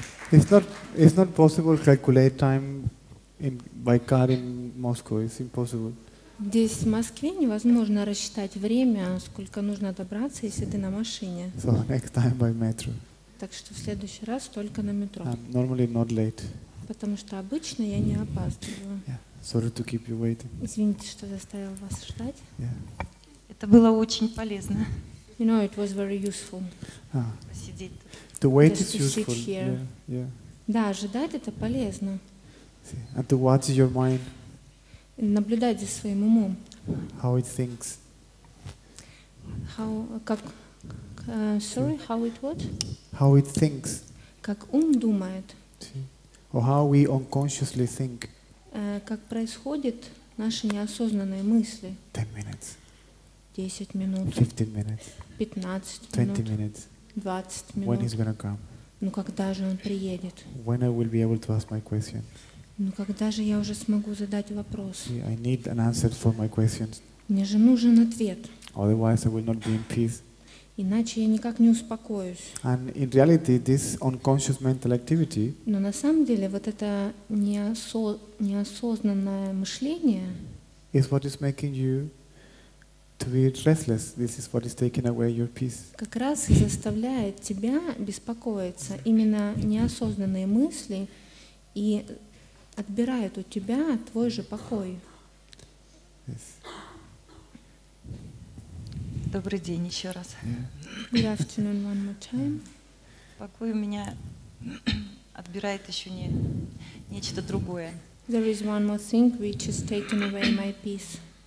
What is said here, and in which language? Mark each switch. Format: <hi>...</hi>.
<en>It's not possible calculate time in by car in Moscow. It's impossible.</en> <ru>Здесь в Москве невозможно рассчитать время, сколько нужно добраться, если ты на машине.</ru> <en>So next time by metro.</en> <ru>Так что в следующий раз только на метро.</ru> <en>I'm normally not late.</en> <ru>Потому что обычно я не опаздываю.</ru> <en>Yeah. Sorry to keep you waiting.</en> <ru>Извините, что заставил вас ждать.</ru> <en>Yeah.</en> <ru>Это было очень полезно.</ru> <en>You know, it was very useful.</en> <ru>Посидеть.</ru> <en>To wait is useful. Yeah, yeah.</en> <ru>Да, ожидать это полезно.</ru> <en>And to watch your mind.</en> <ru>Наблюдать за своим умом.</ru> <en>How it thinks. How,</en> <ru>как,</ru> <en>sorry, how it what? How it thinks.</en> <ru>Как ум думает.</ru> <en>Or how we unconsciously think.</en> <ru>Как происходят наши неосознанные мысли.</ru> <en>10 minutes.</en> <ru>10 минут.</ru> <en>15 minutes.</en> <ru>15 минут.</ru> <en>20 minutes.</en> <ru>20 минут.</ru> <en>When he's gonna come?</en> <ru>Ну когда же он приедет?</ru> <en>When I will be able to ask my question?</en> <ru>Ну когда же я уже смогу задать вопрос?</ru> <en>I need an answer for my questions.</en> <ru>Мне же нужен ответ.</ru> <en>Otherwise I will not be in peace.</en> <ru>Иначе я никак не успокоюсь.</ru> <en>And in reality, this unconscious mental activity.</en> <ru>Но на самом деле вот это неосознанное мышление.</ru> <en>Is what is making you. To be restless, this is what is taking away your peace.</en> <ru>Как раз заставляет тебя беспокоиться именно неосознанные мысли и отбирает у тебя твой же покой.</ru> <en>Yes.</en> <ru>Добрый день еще раз.</ru> <en>Good afternoon one more time.</en> <ru>Покой у меня отбирает еще нечто другое.</ru> <en>There is one more thing which is taking away my peace.</en>